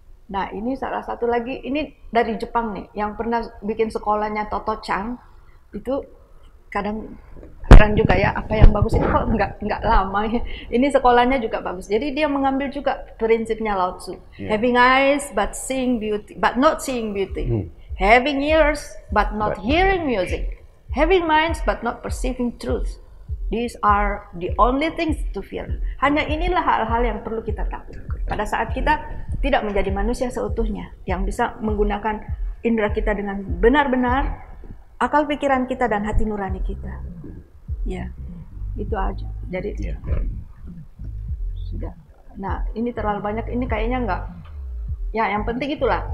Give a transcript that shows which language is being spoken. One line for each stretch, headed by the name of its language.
Indonesian: Nah, ini salah satu lagi, ini dari Jepang nih, yang pernah bikin sekolahnya Toto Chan. Itu kadang keren juga ya, apa yang bagus itu kok enggak lama ya. Ini sekolahnya juga bagus. Jadi dia mengambil juga prinsipnya Lao Tzu.
English: Having eyes but seeing beauty, but not seeing beauty. Having ears but not hearing music. Having minds but not perceiving truth. These are the only things to fear.
Indonesian: Hanya inilah hal-hal yang perlu kita takut. Pada saat kita tidak menjadi manusia seutuhnya, yang bisa menggunakan indera kita dengan benar-benar, akal pikiran kita dan hati nurani kita. Itu aja. Jadi sudah. Nah, ini terlalu banyak, ini kayaknya enggak. Ya, yang penting itulah.